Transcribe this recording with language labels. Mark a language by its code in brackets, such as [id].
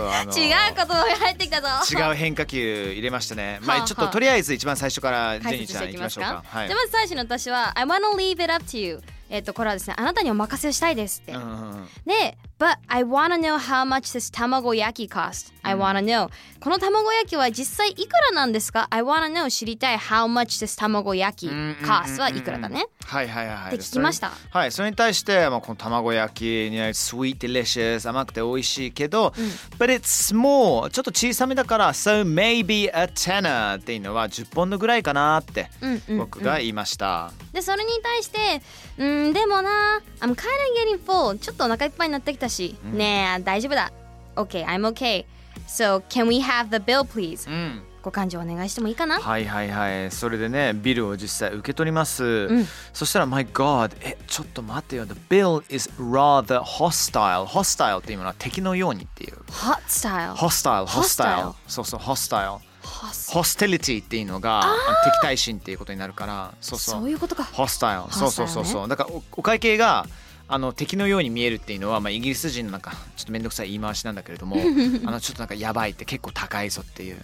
[ja] 違う言葉が入ってきたぞ。違う変化球入れましたね。まあちょっととりあえず一番最初からジェニーちゃんいきましょうか。 [en] はい、 [ja] じゃまず最初の私は [en] I wanna leave it up to you。 [ja] これはですね、あなたにお任せをしたいですって。うんうん、 [en] で、But I wanna know how much this 卵焼き cost. I wanna know、 [ja] うん、この卵焼きは実際いくらなんですか。 [en] I wanna know [ja] 知りたい [en] how much this 卵焼き cost [ja] はいくらだね。はいはいはい。って聞きました。はい、それに対して、まあ、この卵焼き、 [en] sweet delicious [ja] 甘くて美味しいけど、うん、 [en] But it's small [ja] ちょっと小さめだから、 [en] So maybe a tenner [ja] っていうのは10ポンドぐらいかなって僕が言いました。うんうんうん、でそれに対して、でもな、 [en] I'm kind of getting full [ja] ちょっとお腹いっぱいになってきたし、うん、ねえ大丈夫だ。 [en] OK, I'm OK. So can we have the bill please?、 [ja] うん、ご勘定お願いしてもいいかな。はいはいはい。それでね、ビルを実際受け取ります、うん、 [en] そしたら My God、 [ja] ちょっと待ってよ、 [en] The bill is rather hostile。 [ja] Hostile っていうものは敵のようにっていう。 [en] Hostile Hostile Hostile, hostile. [ja] そうそう Hostileホステリティっていうのが敵対心っていうことになるから、そうそう、そういうことか。ホスタイル、そうそうそうそう、ね、だから お会計があの敵のように見えるっていうのは、まあ、イギリス人のなんかちょっとめんどくさい言い回しなんだけれどもあのちょっとなんかやばいって、結構高いぞっていう、